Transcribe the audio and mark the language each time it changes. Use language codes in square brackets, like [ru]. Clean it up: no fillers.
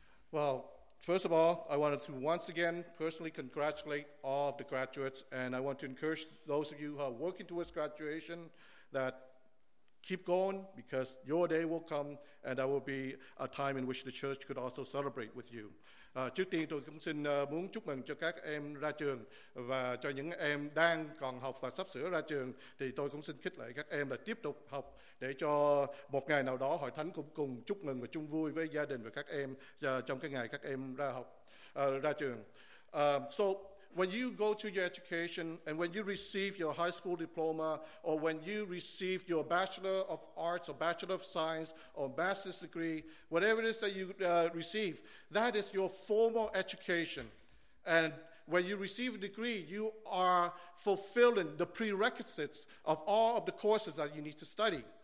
[en] Well, first of all, I wanted to once again personally congratulate all of the graduates, and I want to encourage those of you who are working towards graduation that keep going, because your day will come and that will be a time in which the church could also celebrate with you. [vi] Trước tiên tôi cũng xin muốn chúc mừng cho các em ra trường, và cho những em đang còn học và sắp sửa ra trường thì tôi cũng xin khích lệ các em là tiếp tục học để cho một ngày nào đó Hội Thánh cũng cùng chúc mừng và chung vui với gia đình và các em trong cái ngày các em ra học ra trường. [en] So when you go to your education and when you receive your high school diploma or when you receive your Bachelor of Arts or Bachelor of Science or Master's degree, whatever it is that you receive, that is your formal education. And when you receive a degree, you are fulfilling the prerequisites of all of the courses that you need to study.